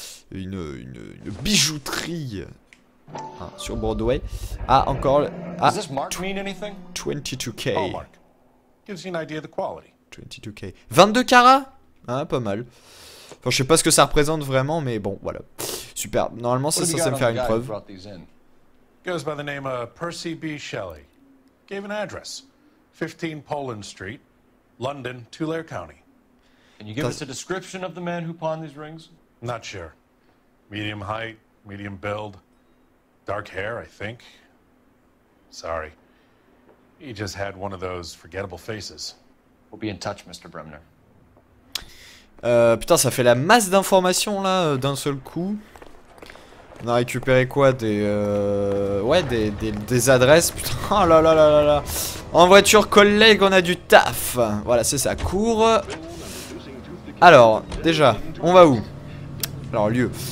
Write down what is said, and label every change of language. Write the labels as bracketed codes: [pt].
[fr] Une bijouterie hein, sur Broadway. Ah, encore. Ah, 22K. 22K. 22 carats hein, pas mal. Enfin, je sais pas ce que ça représente vraiment, mais bon, voilà. Super. Normalement, c'est censé me faire une preuve. [en] Goes by the name of Percy B. Shelley. Gave an address, 15 Poland Street, London, Tulare County. Can you give us a description of the man who pawned these rings? Not sure. Medium height, medium build, dark hair, I think. Sorry. He just had one of those forgettable faces. We'll be in touch, Mr. Bremner. [fr] Putain, ça fait la masse d'informations là d'un seul coup. On a récupéré quoi? Des adresses. Putain, oh là là là là là. En voiture, collègue, on a du taf. Voilà, c'est ça. Cours. Alors, déjà, on va où? Alors, lieu.